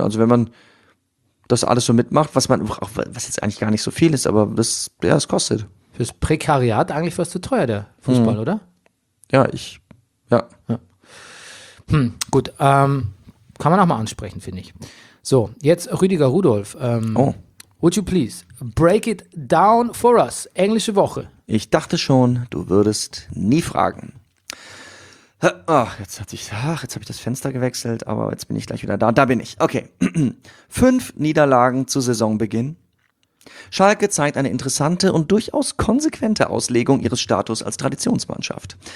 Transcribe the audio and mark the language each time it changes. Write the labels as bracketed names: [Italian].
[German] Also wenn man das alles so mitmacht, was man, was jetzt eigentlich gar nicht so viel ist, aber das, ja, das kostet. Fürs Prekariat eigentlich fast zu teuer, der Fußball, mhm, oder? Ja, ich, ja. Hm, gut, kann man auch mal ansprechen, finde ich. So, jetzt Rüdiger Rudolf. [English] Would you please break it down for us? [German] Englische Woche. Ich dachte schon, du würdest nie fragen. Jetzt habe ich das Fenster gewechselt, aber jetzt bin ich gleich wieder da. Da bin ich. Okay. 5 Niederlagen zu Saisonbeginn. Schalke zeigt eine interessante und durchaus konsequente Auslegung ihres Status als Traditionsmannschaft.